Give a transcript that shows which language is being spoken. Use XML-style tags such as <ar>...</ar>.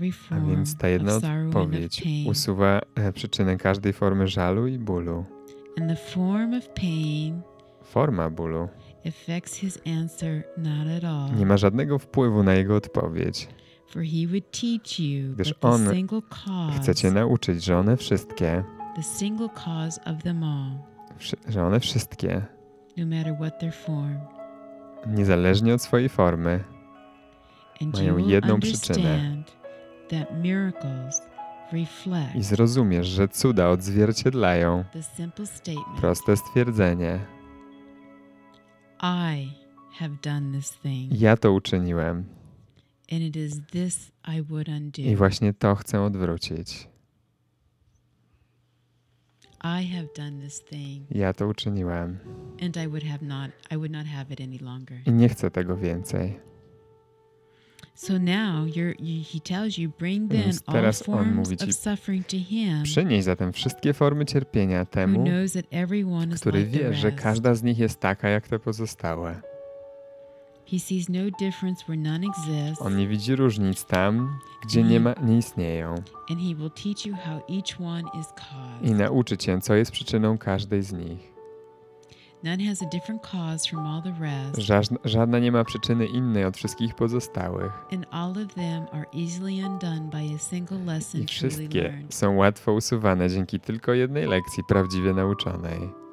<pl>A więc ta jedna odpowiedź usuwa przyczynę każdej formy żalu i bólu.</pl> <en>And the form of pain,</en> <pl>forma bólu,</pl> <en>affects his answer not at all.</en> <pl>Nie ma żadnego wpływu na jego odpowiedź.</pl> <en>For he would teach you,</en> <pl>gdyż on chce cię nauczyć, że one wszystkie,</pl> <en>the single cause of them all,</en> <pl>że one wszystkie,</pl> <en>no matter what their form,</en> <pl>niezależnie od swojej formy, mają jedną przyczynę.</pl> <en>That miracles reflect,</en> <pl>i zrozumiesz, że cuda odzwierciedlają</pl> <en>the simple statement,</en> <pl>proste stwierdzenie.</pl> <en>I have done this thing.</en> <pl>Ja to uczyniłem.</pl> <en>And it is this I would undo.</en> <pl>I właśnie to chcę odwrócić.</pl> <en>I have done this thing.</en> <pl>Ja to uczyniłem.</pl> <en>And I would not have it any longer.</en> <pl>I nie chcę tego więcej.</pl> <en>So now he tells you, bring then all forms of suffering to him.</en> <pl>Przynieś zatem wszystkie formy cierpienia temu, który wie, że każda z nich jest taka jak te pozostałe.</pl> <en>He sees no difference where none exists.</en> <pl>On nie widzi różnic tam, gdzie nie istnieją.</pl> <en>And he will teach you how each one is caused.</en> <pl>I nauczy cię, co jest przyczyną każdej z nich.</pl> <en>None has a different cause from all the rest.</en> <pl>Żadna nie ma przyczyny innej od wszystkich pozostałych.</pl> <en>And all of them are easily undone by a single lesson.</en> <pl>I wszystkie są łatwo usuwane dzięki tylko jednej lekcji prawdziwie nauczonej.</pl>